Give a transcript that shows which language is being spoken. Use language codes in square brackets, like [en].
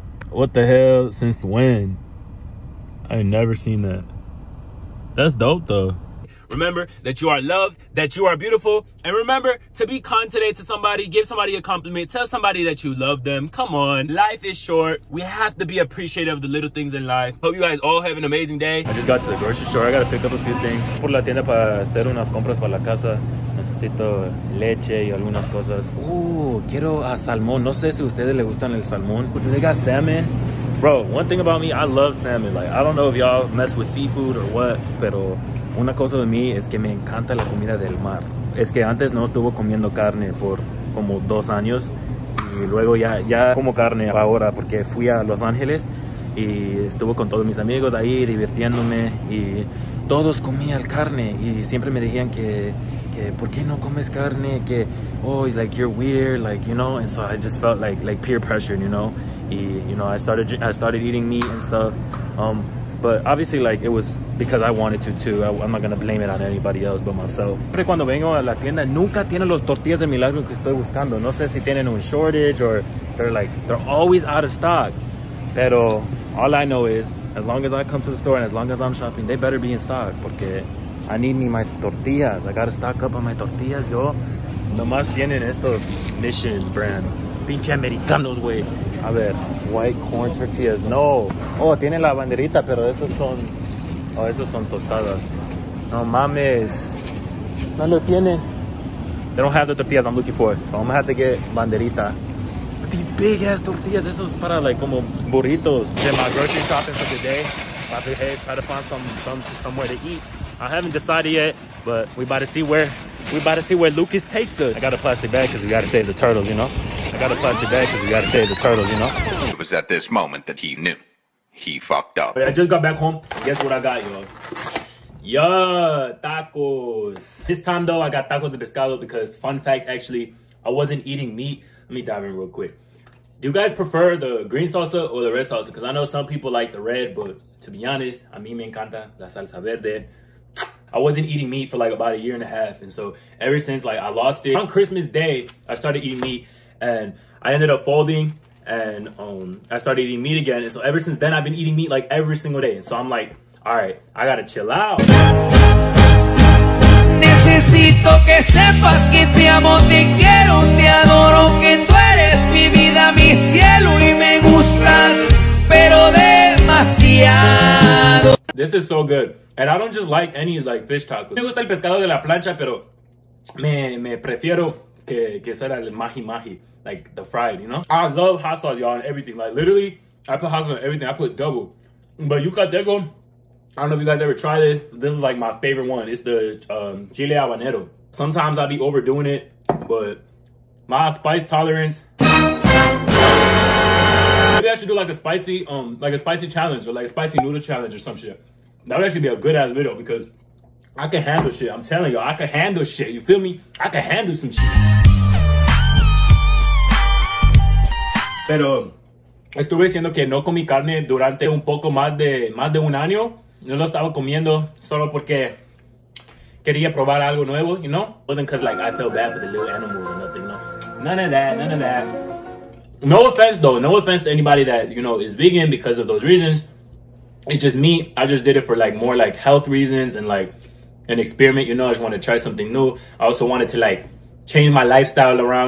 [en] What the hell? Since when? I ain't never seen that. That's dope though. Remember that you are loved, that you are beautiful, and remember to be kind today to somebody, give somebody a compliment, tell somebody that you love them. Come on, life is short. We have to be appreciative of the little things in life. Hope you guys all have an amazing day. I just got to the grocery store. I gotta pick up a few things. [es] Por la tienda para hacer unas compras para la casa. Necesito leche y algunas cosas. Quiero a salmón. No sé si ustedes les gustan el salmón. [en] Do they got salmon? Bro, one thing about me, I love salmon. Like, I don't know if y'all mess with seafood or what, [es] pero una cosa de mí es que me encanta la comida del mar. Es que antes no estuvo comiendo carne por como 2 años y luego ya como carne ahora porque fui a Los Ángeles y estuve con todos mis amigos ahí divirtiéndome y todos comían carne y siempre me decían que ¿por qué no comes carne? [en] Que, oh, like you're weird, like, you know, and so I just felt like peer pressure, you know, y, you know, I started eating meat and stuff. But obviously, like, it was because I wanted to, too. I'm not gonna blame it on anybody else but myself. [es] Siempre cuando vengo a la tienda, nunca tienen los tortillas de milagro que estoy buscando. No sé si tienen un [en] shortage or they're always out of stock. Pero all I know is, as long as I come to the store and as long as I'm shopping, they better be in stock. Porque I need me my tortillas. I gotta stock up on my tortillas, yo. [es] Nomás tienen estos Mission brand. Pinche americanos, güey. A ver, [en] white corn tortillas, [es] no. Oh, tiene la banderita, pero estos son, oh, estos son tostadas. No mames. No lo tienen. [en] They don't have the tortillas I'm looking for, so I'm gonna have to get banderita. But these big ass tortillas, [es] estos es para [en] like [es] como burritos. [en] In my grocery shopping for today, about to head, try to find somewhere to eat. I haven't decided yet, but we about to see where Lucas takes us. I got a plastic bag because we gotta save the turtles, you know? I got a plastic bag because we gotta save the turtles, you know? It was at this moment that he knew he fucked up. I just got back home. Guess what I got, y'all? Yeah, tacos. This time though, I got tacos de pescado because, fun fact, actually, I wasn't eating meat. Let me dive in real quick. Do you guys prefer the green salsa or the red salsa? Because I know some people like the red, but to be honest, [es] a mí me encanta la salsa verde. [en] I wasn't eating meat for like about a year and a half. And so ever since, like, I lost it. On Christmas Day, I started eating meat and I ended up folding and I started eating meat again. And so ever since then, I've been eating meat like every single day. And so I'm like, all right, I gotta chill out. [es] Necesito que sepas que te amo, te quiero, te adoro, que tú eres mi vida, mi cielo, y me gustas, pero demasiado. [en] This is so good. And I don't just like any like fish tacos. [es] Me gusta el pescado de la plancha, pero me prefiero que sea el mahi mahi, [en] like the fried, you know? I love hot sauce, y'all, and everything. Like, literally, I put hot sauce on everything. I put double. But yucateco, I don't know if you guys ever try this. This is like my favorite one. It's the chile habanero. Sometimes I be overdoing it, but my spice tolerance. Maybe I should do like a spicy challenge or like a spicy noodle challenge or some shit. That would actually be a good ass video because I can handle shit. I'm telling y'all, I can handle shit. You feel me? I can handle some shit. [es] Pero estuve diciendo que no comí carne durante un poco más de un año. No lo estaba comiendo solo porque quería probar algo nuevo, [en] you know? It wasn't because, like, I felt bad for the little animals or nothing, no. None of that. No offense, though. No offense to anybody that, you know, is vegan because of those reasons. It's just me. I just did it for, like, more, like, health reasons and, like, an experiment, you know? I just wanted to try something new. I also wanted to, like, change my lifestyle around.